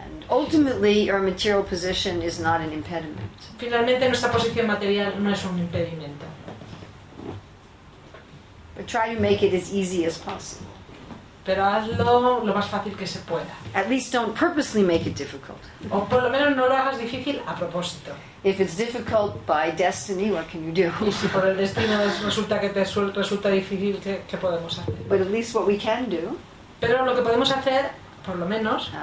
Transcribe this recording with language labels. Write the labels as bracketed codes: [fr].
[en] Ultimately, our material position is not an impediment. [es] Finalmente, nuestra posición material no es un impedimento. [en] But try to make it as easy as possible. [es] Pero hazlo lo más fácil que se pueda. [en] At least don't purposely make it difficult. [es] O por lo menos no lo hagas difícil a propósito. [en] If it's difficult by destiny, what can you do? [es] Y si por el destino resulta que te resulta difícil, ¿qué podemos hacer? [en] But at least what we can do. [es] Pero lo que podemos hacer, por lo menos.